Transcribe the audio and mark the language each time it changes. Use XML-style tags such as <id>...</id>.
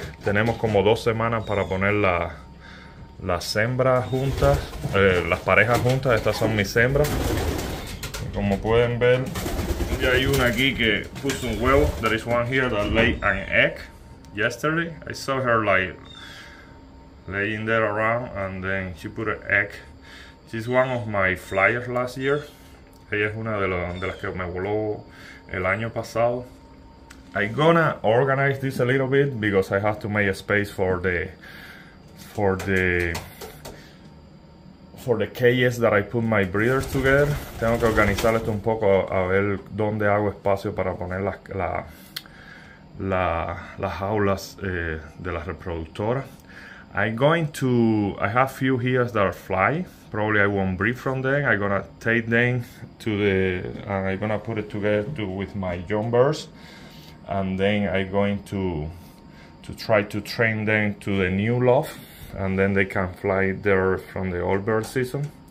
<es>Tenemos como 2 semanas para poner las hembras juntas, las parejas juntas. Estas son mis hembras. Como pueden ver, ya hay una aquí que puso un huevo.</es> <en>There is one here that laid an egg yesterday. I saw her like laying there around and then she put an egg. She's one of my flyers last year.</en> <es>Ella es una de las que me voló el año pasado.</es> <en>I'm gonna organize this a little bit because I have to make a space for the cages that I put my breeders together.</en> <es>Tengo que organizar esto un poco a ver dónde hago espacio para poner las jaulas de la reproductora.</es> <en>I have few here that are fly. Probably I won't breed from them. I'm gonna take them to the, and I'm gonna put it together with my young birds. And then I'm going to try to train them to the new loft. And then they can fly there from the old bird season.</en>